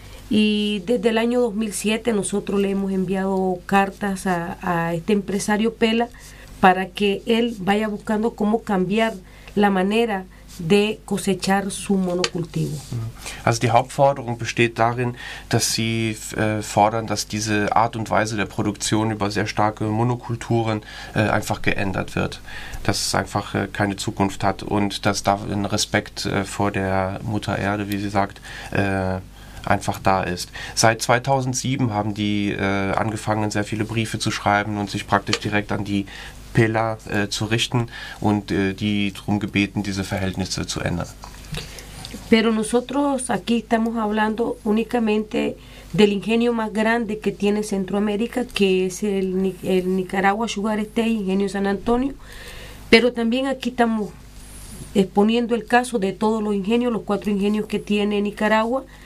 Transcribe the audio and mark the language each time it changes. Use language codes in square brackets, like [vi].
[es] Y desde el año 2007 nosotros le hemos enviado cartas a este empresario Pela para que él vaya buscando cómo cambiar la manera de cosechar su monocultivo. [de] Also die Hauptforderung besteht darin, dass sie fordern, dass diese Art und Weise der Produktion über sehr starke Monokulturen einfach geändert wird. Dass es einfach keine Zukunft hat und dass da ein Respekt vor der Mutter Erde, wie sie sagt, einfach da ist. Seit 2007 haben die angefangen, sehr viele Briefe zu schreiben und sich praktisch direkt an die Pela zu richten und die darum gebeten, diese Verhältnisse zu ändern. [es] Pero nosotros aquí estamos hablando únicamente del ingenio más grande que tiene Centroamérica, que es el Nicaragua Sugar State, Ingenio San Antonio. Pero también aquí estamos exponiendo el caso de todos los ingenios, los cuatro ingenios que tiene Nicaragua.